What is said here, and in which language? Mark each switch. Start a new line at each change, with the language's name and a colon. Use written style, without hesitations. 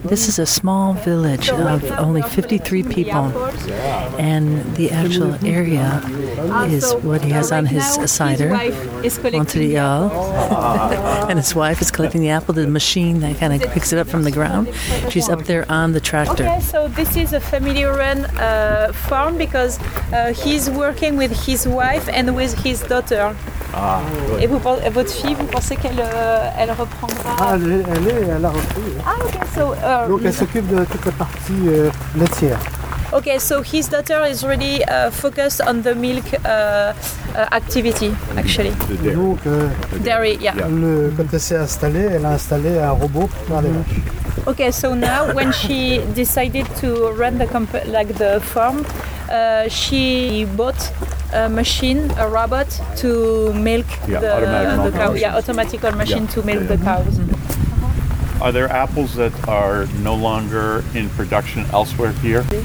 English: This is a small village of only 53 people, and the actual area is what he has on his cider, Montreal. And his wife is collecting the apple, the machine that kind of picks it up from the ground. She's up there on the tractor. Okay, so this is a family-run farm, because he's working with his wife and with his daughter. Ah,
French: et vous, votre fille, vous pensez qu'elle elle reprendra? Ah, elle a repris.
English: Ah, ok. So,
French: donc elle s'occupe de toute la partie laitière.
English: Ok, so his daughter is really focused on the milk activity, actually. The dairy. Donc, dairy, yeah.
French: Quand elle s'est installée, elle a installé un robot pour faire les vaches.
English: Ok, so now, when she decided to run the farm, she bought a machine, a robot, to milk the cow. Yeah, automatical machine to milk the cows. Are there apples that are no longer in production elsewhere here?